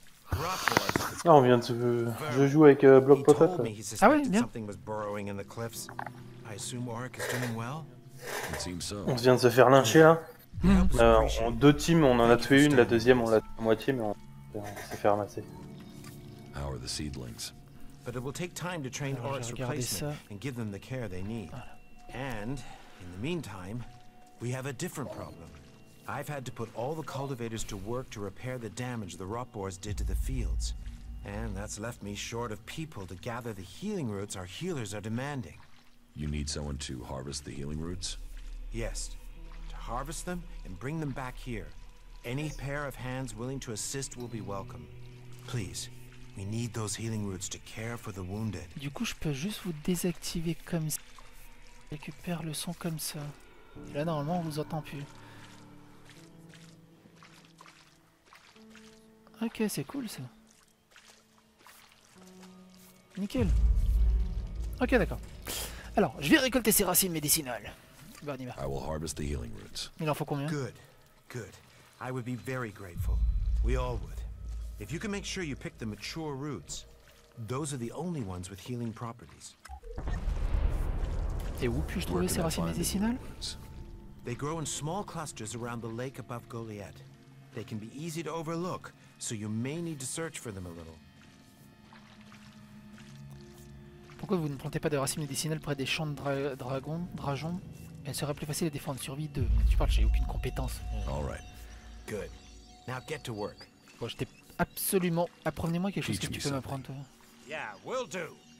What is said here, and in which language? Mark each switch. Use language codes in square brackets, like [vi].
[fr] Ah, on vient de se... Je joue avec Block Pocket. Ah ouais, bien. [en] Something was burrowing in the cliffs. I assume Oric is doing well. It seems so. [fr] On vient de se faire lyncher là. Mmh. En deux teams, on en a tué une, la deuxième on l'a tué à moitié, mais on s'est fait ramasser. [en] How are the seedlings? but it will take time to train Oryx replacement and give them the care they need. And in the meantime, we have a different problem. I've had to put all the cultivators to work to repair the damage the rot borers did to the fields, and that's left me short of people to gather the healing roots our healers are demanding. You need someone to harvest the healing roots? Yes, to harvest them and bring them back here. Any pair of hands willing to assist will be welcome. Please, we need those healing roots to care for the wounded. [fr] Du coup, je peux juste vous désactiver comme ça. Récupère le son comme ça. Là, normalement, on vous entend plus. Ok, c'est cool ça. Nickel. Ok, d'accord. Alors, je vais récolter ces racines médicinales. Bon, on y va. [en] I will harvest the healing roots. [fr] Il en faut combien? [en] Good, good. I would be very grateful. We all would. If you can make sure you pick the mature roots, those are the only ones with healing properties. [fr] Et où puis-je trouver ces racines médicinales? [en] They grow in small clusters around the lake above Goliath. They can be easy to overlook, so you may need to search for them a little. [fr] Pourquoi vous ne plantez pas de racines médicinales près des champs de dragons? Elle serait plus facile à défendre survie de. Tu parles, j'ai aucune compétence. [en] All right. Good. Now get to work. [fr] Bon, j'étais absolument. Apprenez-moi quelque chose que tu peux m'apprendre, toi. [en] Yeah, we'll do.